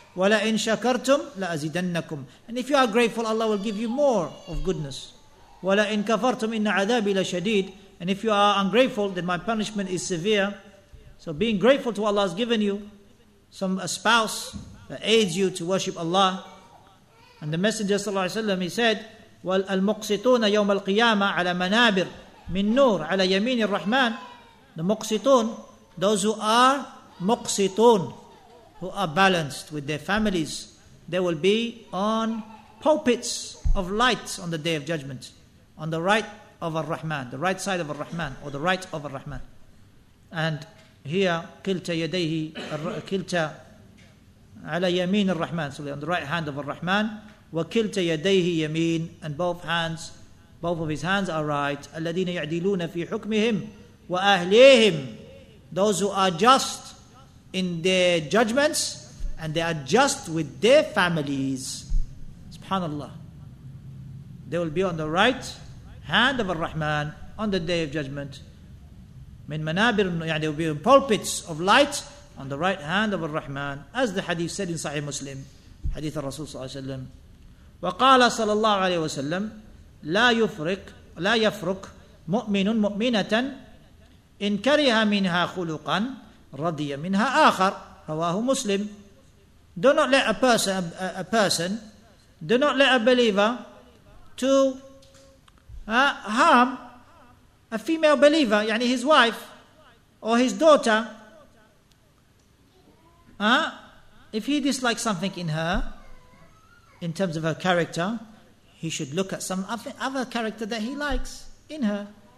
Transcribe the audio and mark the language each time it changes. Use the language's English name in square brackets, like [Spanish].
[Arabic] وَلَئِن شَكَرْتُمْ لَأَزِدَنَّكُمْ. [English] And if you are grateful, Allah will give you more of goodness. [Arabic] وَلَئِن كَفَرْتُمْ إِنَّ عَذَابِي لَشَدِيدٌ. [English] And if you are ungrateful, then my punishment is severe. So being grateful to what Allah has given you, a spouse that aids you to worship Allah. And the Messenger [Arabic] صلى الله عليه وسلم, [English] he said, [Arabic] وَالْمُقْسِطُونَ يَوْمَ الْقِيَامَةِ عَلَى مَنَابِرْ مِنْ نُورْ عَلَى يَمِينِ الرَّحْمَانِ. [English] The muqsitun, those who are muqsitun, who are balanced with their families, they will be on pulpits of light on the Day of Judgment, on the right of Ar-Rahman, the right side of Ar-Rahman, or the right of Ar-Rahman. And here, [Arabic] kilta yadayhi, kilta ala yameen Ar-Rahman, [English] so on the right hand of Ar-Rahman, [Arabic] wa kilta yadayhi yameen, [English] and both hands, both of his hands are right, [Arabic] alladhina ya'diluna fi hukmihim wa ahlihim, [English] those who are just in their judgments, and they are just with their families. Subhanallah. They will be on the right hand of Ar-Rahman on the Day of Judgment. Min manabir, they will be in pulpits of light on the right hand of Ar-Rahman, as the hadith said in Sahih Muslim, hadith al-Rasul sallallahu alayhi wa sallam. [Arabic] وقال صلى الله عليه وسلم لا يفرق مؤمن مؤمنة إن كره منها خلقا رضي منها آخر رواه مسلم. [English] Do not let a person, do not let a believer to harm a female believer, يعني his wife or his daughter, if he dislikes something in her in terms of her character, he should look at some other character that he likes in her.